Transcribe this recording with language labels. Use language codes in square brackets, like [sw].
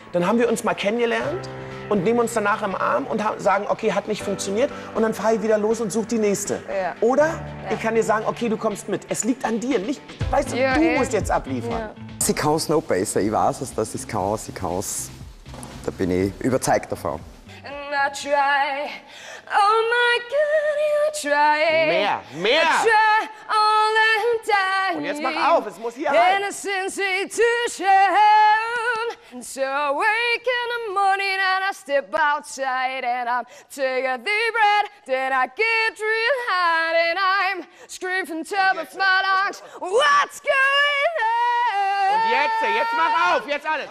[de] Dann haben wir uns mal kennengelernt und nehmen uns danach im Arm und sagen, okay, hat nicht funktioniert. Und dann fahre ich wieder los und such die nächste. Ja. Oder ich kann dir sagen, okay, du kommst mit. Es liegt an dir, nicht, weißt du, du musst jetzt abliefern. Ja. Sie kann es noch besser, ich weiß es, dass ich kann, sie kann es. Da bin ich überzeugt davon. [en] And I try, oh my God, you try. [de] Mehr, mehr. [en] I try all the time. [de] Und jetzt mach auf, es muss hier rein. [en] Innocence to shame. So I wake in the morning and I step outside and I take a deep breath. Then I get real hard and I'm screaming from the top of my lungs. What's going on? [de] Und jetzt mach auf, jetzt alles.